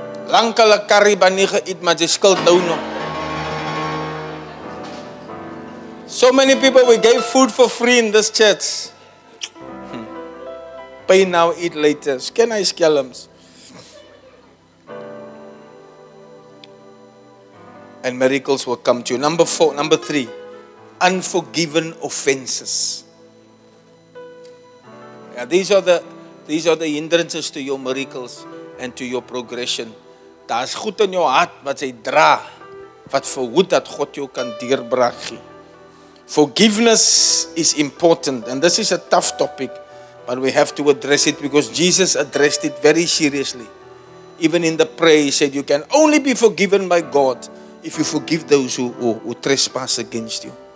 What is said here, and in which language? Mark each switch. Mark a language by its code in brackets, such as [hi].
[af] Lank hulle karrie by nie geëet, maar jy skuld nou nog. [en] So many people, we gave food for free in this church. Pay now, eat later. Scan I skellums. And miracles will come to you. Number three. Unforgiven offenses. Yeah, these are the hindrances to your miracles and to your progression. [af] Daar is goed in jou hart wat jy dra, wat verhoed dat God jou kan deurbraak gee. [en] Forgiveness is important, and this is a tough topic. But we have to address it because Jesus addressed it very seriously. Even in the prayer, he said, you can only be forgiven by God if you forgive those who trespass against you.